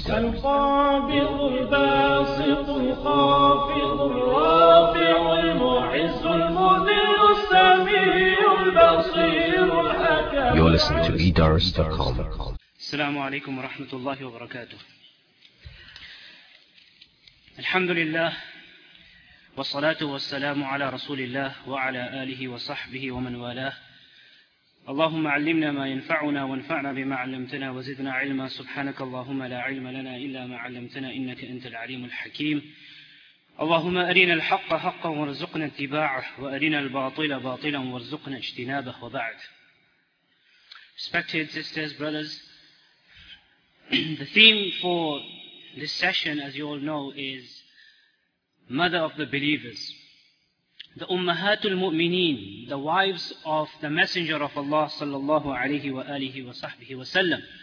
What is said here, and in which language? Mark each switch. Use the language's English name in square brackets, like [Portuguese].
[Arabic] القابض الباسط الخافض الرافع المعز المذل السميع البصير الحكيم. [English] You're listening to Eders.com. [Arabic] السلام عليكم ورحمة الله وبركاته. الحمد لله والصلاة والسلام على رسول الله وعلى آله وصحبه ومن والاه. اللهم علمنا ما ينفعنا وانفعنا بما علمتنا وزدنا علما. سبحانك اللهم لا علم لنا إلا ما علمتنا إنك أنت العليم الحكيم. اللهم أرنا الحق حقا وارزقنا اتباعه وأرنا الباطل باطلا وارزقنا اجتنابه وبعد. [English] Respected sisters, brothers, the theme for this session, as you all know, is Mother of the Believers. The Ummahatul Mu'mineen, the wives of the Messenger of Allah sallallahu alayhi wa alihi wa sahbihi wa sallam.